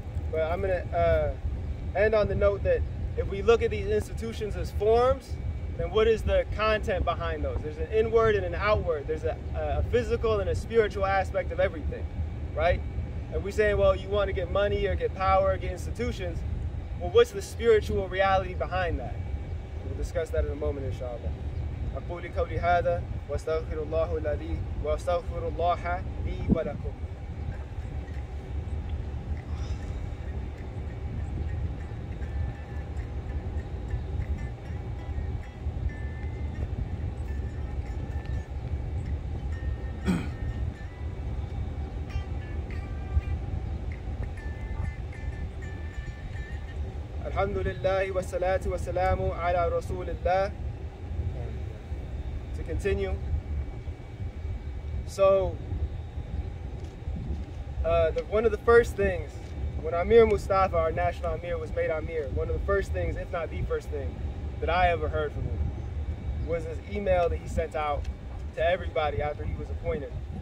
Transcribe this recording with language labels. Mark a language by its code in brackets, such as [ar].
[en] But I'm going to end on the note that if we look at these institutions as forms, then what is the content behind those? There's an inward and an outward. There's a physical and a spiritual aspect of everything, right? If we say, well, you want to get money or get power or get institutions, well, what's the spiritual reality behind that? We'll discuss that in a moment, inshallah. [ar] أقول قولي هذا واستغفر الله الذي واستغفر الله لي ولكم. الحمد لله والصلاة والسلام على رسول الله. [en] To continue. So, one of the first things, when Amir Mustafa, our national Amir, was made Amir, one of the first things, if not the first thing, that I ever heard from him, was his email that he sent out to everybody after he was appointed.